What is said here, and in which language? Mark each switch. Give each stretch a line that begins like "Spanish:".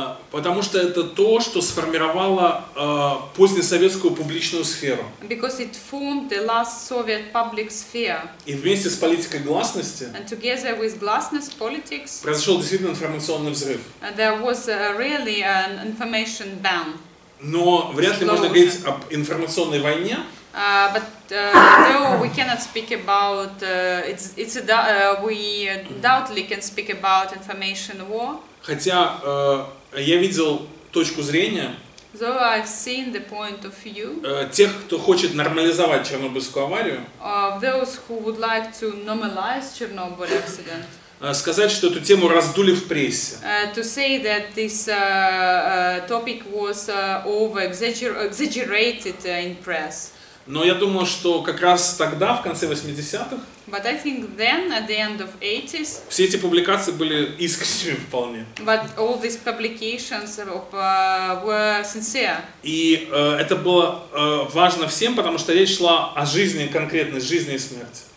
Russian: Потому что это то, что сформировало позднесоветскую публичную сферу.
English: Because it formed the last Soviet public sphere.
Russian: И вместе с политикой гласности.
English: And together with glasness politics.
Russian: Произошел действительно информационный взрыв.
English: There was really an information bomb.
Russian: Но вряд ли можно говорить об информационной войне.
English: Though we cannot speak about we doubtly can speak about information war.
Russian: Хотя я видел точку зрения
English: I've seen the point of view,
Russian: тех, кто хочет нормализовать Чернобыльскую аварию,
English: those who would like to normalize Chernobyl accident,
Russian: сказать, что эту тему раздули в прессе.
English: To say that this topic was over-exaggerated in press.
Russian: Но я думал, что как раз тогда, в конце 80-х,
English: but I think then, at the end of 80s,
Russian: все эти публикации были искренними вполне.
English: But all these publications were sincere.
Russian: И это было важно всем, потому что речь шла о жизни конкретной, жизни и смерти.